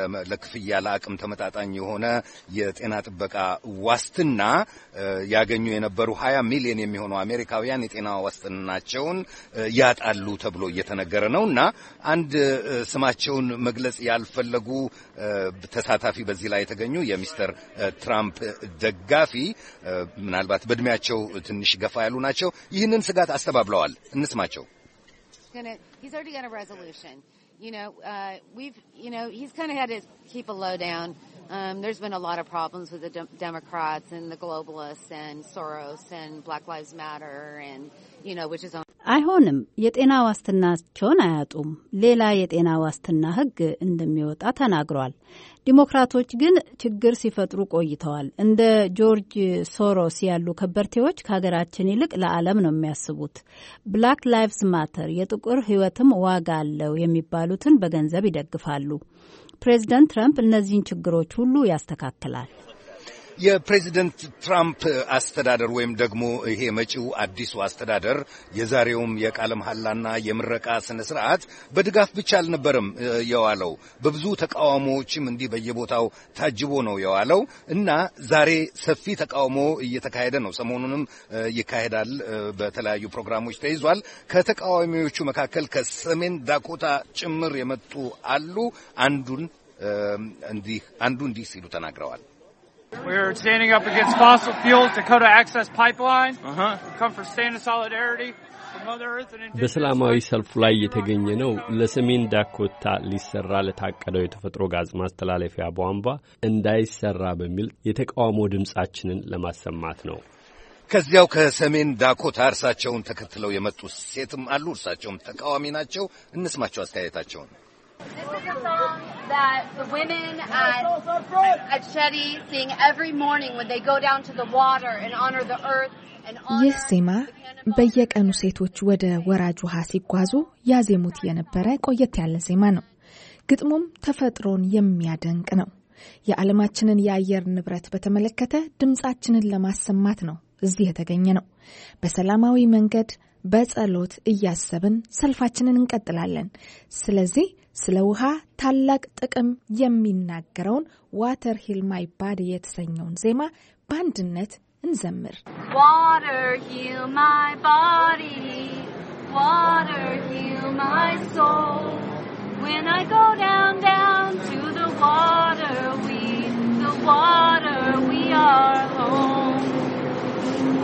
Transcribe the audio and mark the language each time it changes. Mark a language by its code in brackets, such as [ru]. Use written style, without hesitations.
[am] ለክፍያ ለአቅም ተመጣጣኝ የሆነ የጤና ጥበቃ ዋስትና ያገኙ የነበሩ 20 ሚሊዮን የሚሆኑ አሜሪካውያን የጤና ዋስትናቸውን ያጣሉ ተብሎ እየተነገረ ነውና አንድ ስማቸውን መግለጽ ያልፈለጉ ተሳታፊ በዚህ ላይ የተገኙ የሚስተር ትራምፕ ደጋፊ ምናልባት በእድሜያቸው ትንሽ ገፋ ያሉ ናቸው ይህንን ስጋት አስተባብለዋል። እንስማቸው። [en] He's already got a resolution. He's kind of had to keep a low down. There's been a lot of problems with the Democrats and the globalists and Soros and Black Lives Matter and which is on [am] አይሆንም የጤና ዋስትናቸውን አያጡም። ሌላ የጤና ዋስትና ህግ እንደሚወጣ ተናግሯል። ዲሞክራቶች ግን ችግር ሲፈጥሩ ቆይተዋል። እንደ ጆርጅ ሶሮስ ያሉ ከበርቴዎች ከሀገራችን ይልቅ ለዓለም ነው የሚያስቡት። ብላክ ላይቭስ ማተር የጥቁር ህይወትም ዋጋ አለው የሚባሉትን በገንዘብ ይደግፋሉ። ፕሬዝዳንት ትራምፕ እነዚህን ችግሮች ሁሉ ያስተካክላል። የፕሬዚደንት ትራምፕ አስተዳደር ወይም ደግሞ ይሄ መጪው አዲሱ አስተዳደር የዛሬውም የቃለ መሐላና የምረቃ ስነ ስርዓት በድጋፍ ብቻ አልነበረም የዋለው። በብዙ ተቃውሞዎችም እንዲህ በየቦታው ታጅቦ ነው የዋለው እና ዛሬ ሰፊ ተቃውሞ እየተካሄደ ነው። ሰሞኑንም ይካሄዳል፣ በተለያዩ ፕሮግራሞች ተይዟል። ከተቃዋሚዎቹ መካከል ከሰሜን ዳኮታ ጭምር የመጡ አሉ። አንዱ እንዲህ ሲሉ ተናግረዋል። [en] We're standing up against fossil fuels, Dakota Access Pipeline. Come for stand in solidarity for Mother Earth and indigenous. [am] በሰላማዊ ሰልፍ ላይ የተገኘ ነው ለሰሜን ዳኮታ ሊሰራ ለታቀደው የተፈጥሮ ጋዝ ማስተላለፊያ ቧንቧ እንዳይሰራ በሚል የተቃውሞ ድምጻችንን ለማሰማት ነው። ከዚያው ከሰሜን ዳኮታ አርሳቸውን ተከትለው የመጡ ሴትም አሉ። አርሳቸውም ተቃዋሚ ናቸው። እንስማቸው አስተያየታቸውን። [en] This is a song that the women at Chetty sing every morning when they go down to the water and honor the earth and honor Yes, Sima. [am] በየቀኑ ሴቶች ወደ ወራጅ ውሃ ሲጓዙ ያዜሙት የነበረ ቆየት ያለ ዜማ ነው። ግጥሙም ተፈጥሮን የሚያደንቅ ነው። የዓለማችንን የአየር ንብረት በተመለከተ ድምጻችንን ለማሰማት ነው እዚህ የተገኘ ነው። በሰላማዊ መንገድ በጸሎት እያሰብን ሰልፋችንን እንቀጥላለን። ስለዚህ ስለውሃ ታላቅ ጥቅም የሚናገረውን Water Heal My Body የተሰኘውን ዜማ ባንድነት እንዘምር። [en] Water heal my body, water heal my soul. When I go down, down to the water, we, the water, we are home.